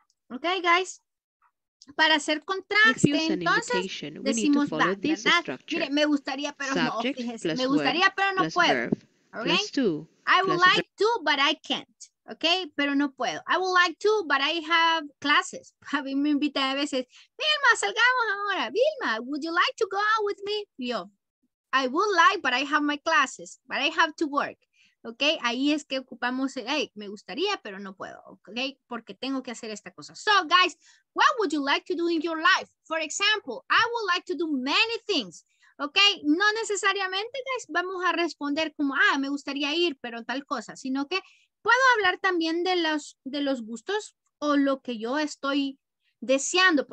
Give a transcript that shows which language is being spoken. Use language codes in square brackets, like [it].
[es] Okay, guys. Para hacer contraste, entonces, decimos back, ¿verdad? Mire, me gustaría, pero [en] subject [es] no, fíjese. Me gustaría, pero no puedo. [en] Verb, okay? To, I would like to, but I can't. Okay, [es] pero no puedo. [en] I would like to, but I have classes. [es] A mí me invitan a veces, Vilma, salgamos ahora. [en] Vilma, would you like to go out with me? Yo, I would like, but I have my classes, but I have to work. [es] Ok, ahí es que ocupamos, hey, me gustaría, pero no puedo, ok, porque tengo que hacer esta cosa. [en] So, guys, what would you like to do in your life? For example, I would like to do many things, [es] ok, no necesariamente, guys, vamos a responder como, ah, me gustaría ir, pero tal cosa, sino que puedo hablar también de los gustos o lo que yo estoy deseando.